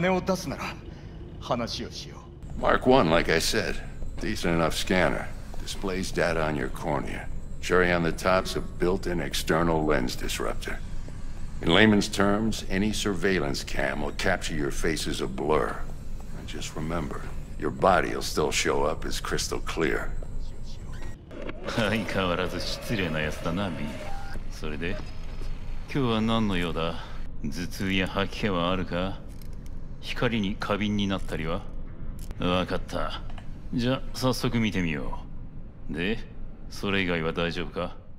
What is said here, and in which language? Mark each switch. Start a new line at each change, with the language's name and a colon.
Japanese: 君のボスがカンタオよりも金を出すなら話をしよう。Mark
English: 1, like I said. Decent enough scanner. Displays data on your cornea. Cherry on the top's a built-in external lens disruptor. In layman's terms, any surveillance cam will capture your face as a blur. And just remember, your body will still show up as crystal clear.
Japanese: 相変わらず失礼な奴だな、B。それで、今日は何の用だ? 頭痛や吐き気はあるか?光に過敏になったりは?わかった。じゃあ、早速見てみよう。で、それ以外は大丈夫か?